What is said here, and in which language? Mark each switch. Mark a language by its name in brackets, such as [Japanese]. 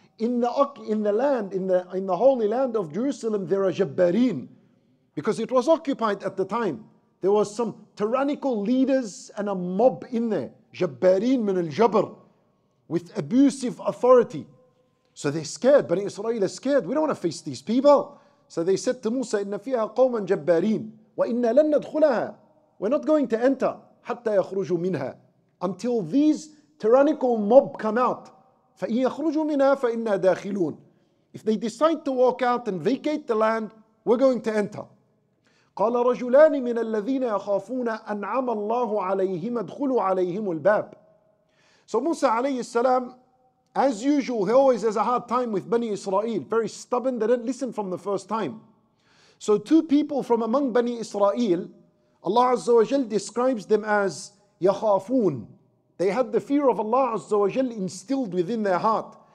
[English] In the holy land of Jerusalem, there are jabbarin. Because it was occupied at the time. There was some tyrannical leaders and a mob in there. [Arabic] جَبَّارِينَ مِنَ الْجَبْرِ, [English] with abusive authority. So they're scared. Bani Israel are scared. We don't want to face these people. So they said to Musa, [Arabic] إِنَّ فِيهَا قَوْمًا جَبَّارِينَ وَإِنَّا لَن نَدْخُلَهَا. [English] We're not going to enter [Arabic] حَتَّى يَخْرُجُوا مِنْهَا [English] until these tyrannical mob come out. [Arabic] فَإِنْ يَخْرُجُوا مِنْهَا فَإِنَّا دَاخِلُونَ. [English] If they decide to walk out and vacate the land, we're going to enter. [Arabic] قال رجلان من الذين يخافون أنعم الله عليهم ادخلوا عليهم الباب. [English] So Musa عليه السلام, as usual, he always has a hard time with Bani Israel. Very stubborn, they didn't listen from the first time. So two people from among Bani Israel, Allah Azza wa Jal describes them as يخافون. They had the fear of Allah Azza wa Jal instilled within their heart.